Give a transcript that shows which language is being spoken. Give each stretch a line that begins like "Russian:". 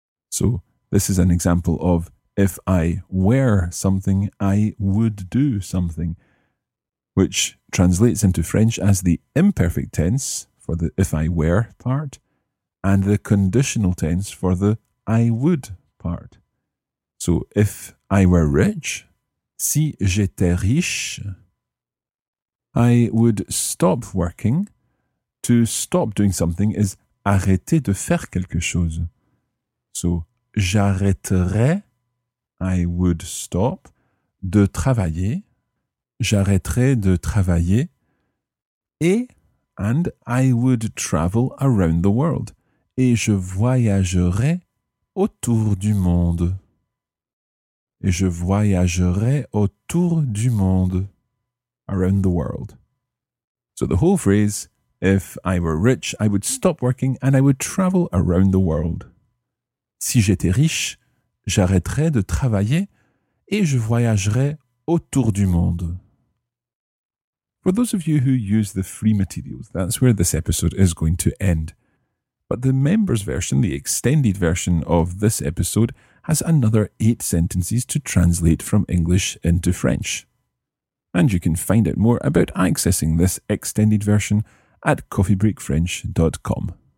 English: So this is an example of if I were something, I would do something, which translates into French as the imperfect tense for the if I were part and the conditional tense for the I would part. So if I were rich,
French: si j'étais riche,
English: I would stop working. To stop doing something is arrêter de faire quelque chose.
French: So j'arrêterai,
English: I would stop,
French: de travailler, j'arrêterai de travailler, et,
English: and I would travel around the world,
French: et je voyagerai autour du monde, et je voyagerai autour du monde,
English: around the world. So the whole phrase, if I were rich, I would stop working and I would travel around the world.
French: Si j'étais riche, j'arrêterais de travailler et je voyagerais autour du monde.
English: For those of you who use the free materials, that's where this episode is going to end. But the members version, the extended version of this episode, has another 8 sentences to translate from English into French. And you can find out more about accessing this extended version at coffeebreakfrench.com.